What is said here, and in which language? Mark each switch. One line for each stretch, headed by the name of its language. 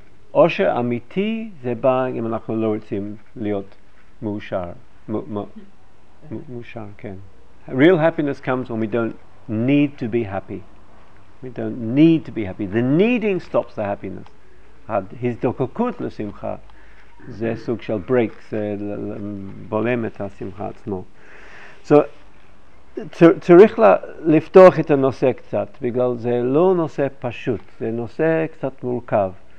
Hebrew: עושר אמיתי זה בא אם אנחנו לא רוצים להיות מאושר. מאושר, כן.
English: Real happiness comes when we don't need to be happy. We don't need to be happy. The needing stops the happiness.
Hebrew: ההזדקקות לשמחה זה סוג של break, זה בולם את השמחה עצמו. So, צריך לפתוח את הנושא קצת, בגלל זה לא נושא פשוט, זה נושא קצת מורכב.